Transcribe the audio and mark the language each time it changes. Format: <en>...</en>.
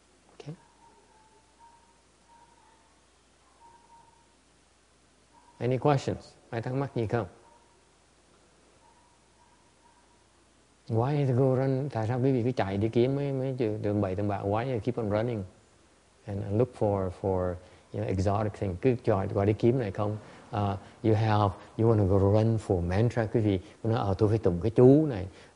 <en>Okay. Any questions?</en> <vi>Ai thắc mắc gì không?</vi> <en>Why do you go run?</en> <vi>Tại sao quý vị cứ chạy đi kiếm mấy chữ đường bảy tầng bạc?</vi> <en>Why do you keep on running and look for you know, exotic thing?</en> <vi>Cứ chạy qua đi kiếm này không?</vi> <en>You want to go run for mantra?</en> <vi>Quý vị nói, tôi phải tụng cái chú này.</vi>